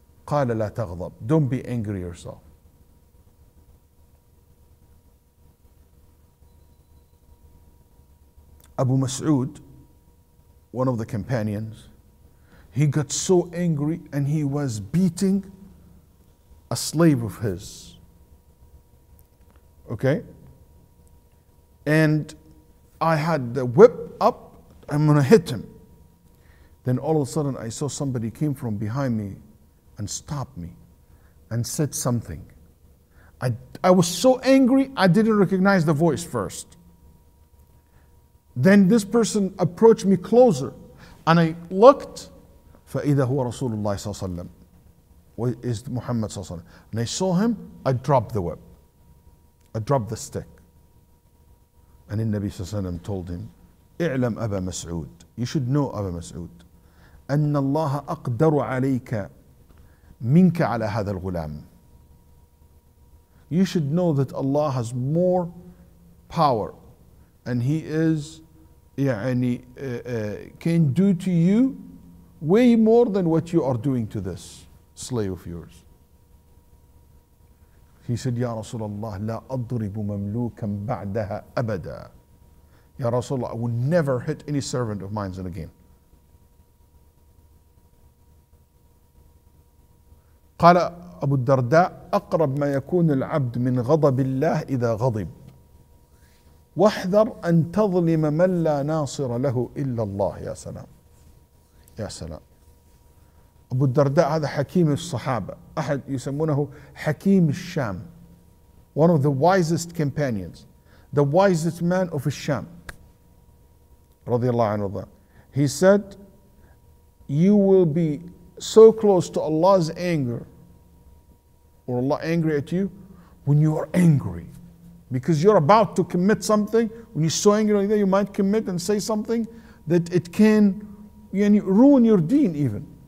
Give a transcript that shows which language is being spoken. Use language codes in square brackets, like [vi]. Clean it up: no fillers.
[ar] قال لا تغضب [en] don't be angry yourself Abu Mas'ud one of the companions he got so angry and he was beating a slave of his okay and I had the whip up I'm gonna hit him then all of a sudden I saw somebody came from behind me and stopped me and said something. I was so angry, I didn't recognize the voice first. Then this person approached me closer and I looked. [ar] فَإِذَا هُوَ رَسُولُ اللَّهِ صَلَّى اللَّهُ عَلَيْهِ وَسَلَّمَ [en] is Muhammad [ar] صلى الله عليه وسلم. [en] And I saw him, I dropped the whip. I dropped the stick. And [ar] النبي صلى الله عليه وسلم [en] told him, [ar] اعلم أبا مسعود. [en] You should know أبا مسعود. [ar] أن الله أقدر عليك منك على هذا الغلام. [en] You should know that Allah has more power and He is, can do to you way more than what you are doing to this slave of yours. [ar] He said, Ya Rasulullah, لا أضرب مملوكا بعدها أبدا. [en] Ya Rasulullah, I will never hit any servant of mine again. [ar] قال أبو الدرداء أقرب ما يكون العبد من غضب الله إذا غضب واحذر أن تظلم من لا ناصر له إلا الله. يا سلام يا سلام. أبو الدرداء هذا حكيم الصحابة, أحد يسمونه حكيم الشام, [en] one of the wisest companions, the wisest man of [ar] الشام رضي الله عنه. [en] He said, you will be so close to Allah's anger, or Allah angry at you, when you are angry. Because you're about to commit something, when you're so angry like that, you might commit and say something that it can ruin your deen even.